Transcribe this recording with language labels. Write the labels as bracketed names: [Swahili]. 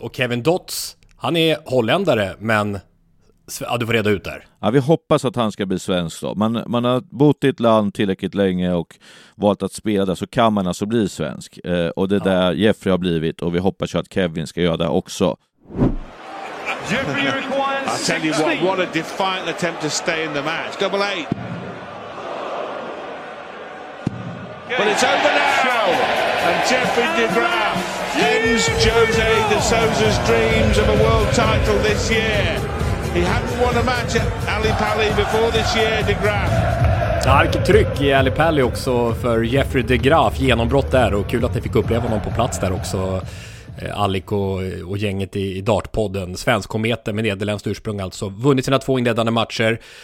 [Swedish] Och Kevin Dodds, han är holländare, men ja, du får reda ut där. Ja, vi hoppas att han ska bli svensk då. Man har bott i ett land tillräckligt länge och valt att spela där, så kan man alltså bli svensk. Och det där Jeffrey har blivit, och vi hoppas ju att Kevin ska göra det också. [English] I tell you what a defiant attempt to stay in the match. Double eight. But it's over now, and Jeffrey de Graaf ends Jose de Souza's dreams of a world title this year. He hadn't won a match at Ali Pali before this year, de Graaf. [Swedish] Ja, vilket tryck i Ali Pali också för Jeffrey de Graaf, genombrott där, och kul att ni fick uppleva honom på plats där också. Alik och gänget i Dartpodden, svensk kometen med nederländskt ursprung, alltså vunnit sina 2 inledande matcher.